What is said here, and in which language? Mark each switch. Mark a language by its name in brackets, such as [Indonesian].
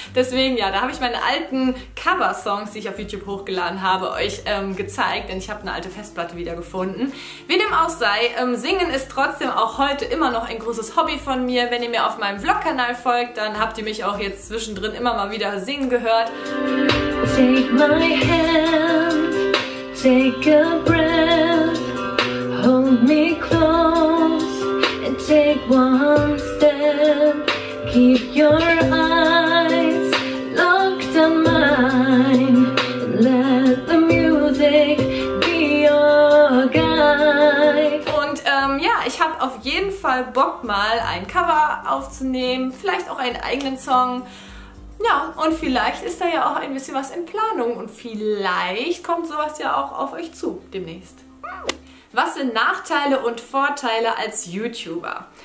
[German] Deswegen, ja, da habe ich meine alten Cover-Songs, die ich auf YouTube hochgeladen habe, euch gezeigt. Denn ich habe eine alte Festplatte wieder gefunden. Wie dem auch sei, Singen ist trotzdem auch heute immer noch ein großes Hobby von mir. Wenn ihr mir auf meinem Vlog-Kanal folgt, dann habt ihr mich auch jetzt zwischendrin immer mal wieder singen gehört. [English] Take my hand, take a breath, hold me close and take one step, keep your eyes locked on mine, let the music be your guide. [German] Und ja, ich habe auf jeden Fall Bock mal ein Cover aufzunehmen, vielleicht auch einen eigenen Song. Ja, und vielleicht ist da ja auch ein bisschen was in Planung und vielleicht kommt sowas ja auch auf euch zu demnächst. Was sind Nachteile und Vorteile als YouTuber?